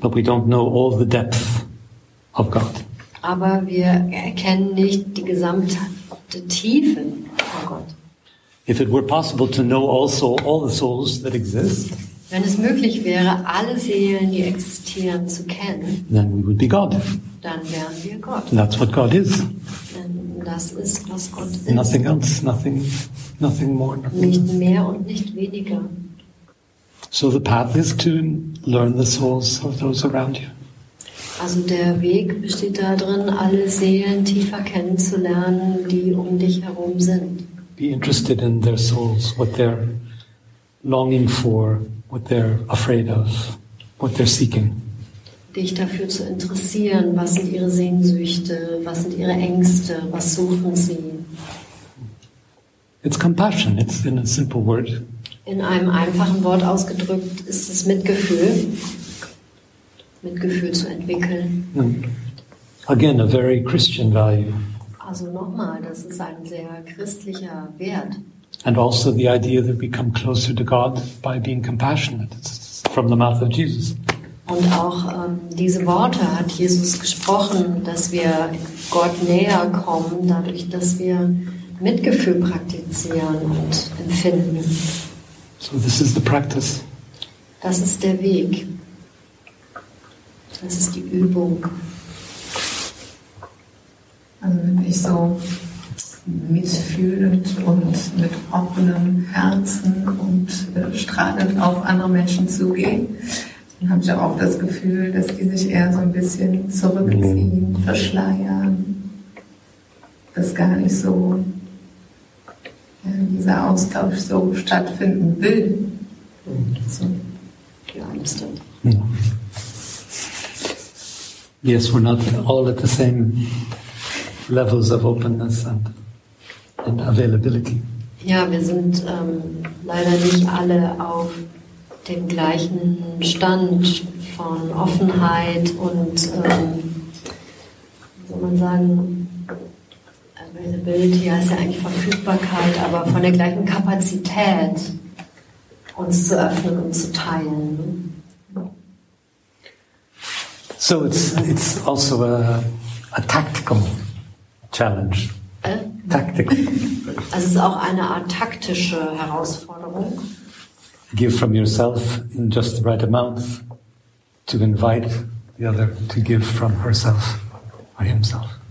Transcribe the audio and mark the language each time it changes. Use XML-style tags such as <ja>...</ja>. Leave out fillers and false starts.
<en>But we don't know all the depth of God.</en> <de>Aber wir erkennen nicht die gesamte Tiefe von Gott.</de> <en>If it were possible to know also all the souls that exist,</en> <de>wenn es möglich wäre, alle Seelen, die existieren, zu kennen,</de> <en>then we would be God.</en> <de>Dann wären wir Gott.</de> <en>And that's what God is.</en> <de>Das ist, was Gott</de> <en>nothing</en> <de>ist.</de> <en>Else, nothing, nothing more. Nothing</en> <de>nicht mehr und nicht weniger.</de> <en>So the path is to learn the souls of those around you.</en> <de>Also der Weg besteht darin, alle Seelen tiefer kennenzulernen, die um dich herum sind.</de> <en>Be interested in their souls, what they're longing for, what they're afraid of, what they're seeking.</en> <de>Dich dafür zu interessieren, was sind ihre Sehnsüchte, was sind ihre Ängste, was suchen sie?</de> <en>It's compassion, it's in a simple word.</en> <de>In einem einfachen Wort ausgedrückt ist es Mitgefühl. Mitgefühl zu entwickeln.</de> <en>Again, a very Christian value.</en> <de>Also nochmal, das ist ein sehr christlicher Wert.</de> <en>And also the idea that we come closer to God by being compassionate. It's from the mouth of Jesus.</en> <de>Und auch diese Worte hat Jesus gesprochen, dass wir Gott näher kommen, dadurch, dass wir Mitgefühl praktizieren und empfinden.</de> <en>So this is the practice.</en> <de>Das ist der Weg. Das ist die Übung. Also wenn ich so mitfühlend und mit offenem Herzen und strahlend auf andere Menschen zugehe, dann habe ich auch das Gefühl, dass die sich eher so ein bisschen zurückziehen, verschleiern, dass gar nicht so dieser Austausch so stattfinden will.</de> <en>So.</en> <de>Ja, das stimmt.</de> <en>Yes, we're not all at the same levels of openness and availability.</en> <de>Ja, wir sind leider nicht alle auf dem gleichen Stand von Offenheit und, wie soll man sagen, Availability heißt ja eigentlich Verfügbarkeit, aber von der gleichen Kapazität, uns zu öffnen und zu teilen.</de> <en>So it's also a tactical challenge. Tactical.</en> <de>Also es ist auch eine Art taktische Herausforderung.</de> <en>Give from yourself in just the right amount to invite the other to give from herself or himself.</en>